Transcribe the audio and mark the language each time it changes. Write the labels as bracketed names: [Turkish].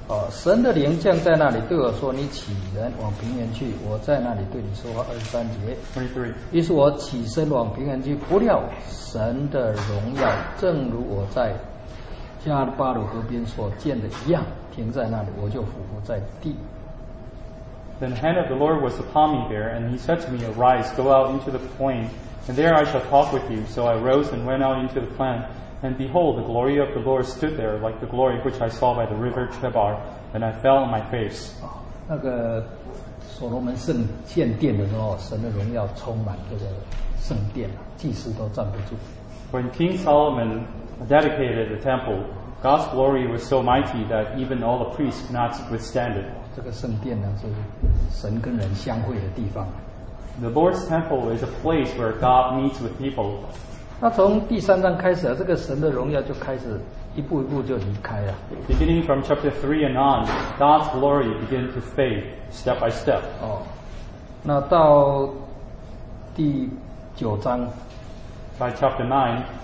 [Chinese] 神的灵降在那里对我说：“你起人往平原去。” 我在那里对你说话。23节。 [English] 23. [Chinese] 于是我起身往平原去，不料神的荣耀正如我在加巴鲁河边所见的一样，停在那里，我就俯伏在地。 [English] Then the hand of the Lord was upon me there, and he said to me, Arise, go out into the plain, and there I shall talk with you. So I rose and went out into the plain, and behold, the glory of the Lord stood there, like the glory which I saw by the river Chebar, and I fell on my face. [Chinese] 那个所罗门圣建殿的时候，神的荣耀充满这个圣殿，祭司都站不住。 [English] When King Solomon dedicated the temple, God's glory was so mighty that even all the priests could not withstand it. [Chinese] 这个圣殿呢，是神跟人相会的地方。 [English] The Lord's temple is a place where God meets with people. [Chinese] 那从第三章开始，这个神的荣耀就开始一步一步就离开了。 [English] Beginning from chapter 3 and on, God's glory began to fade step by step. [Chinese] 哦，那到第九章。 [English] By chapter 9,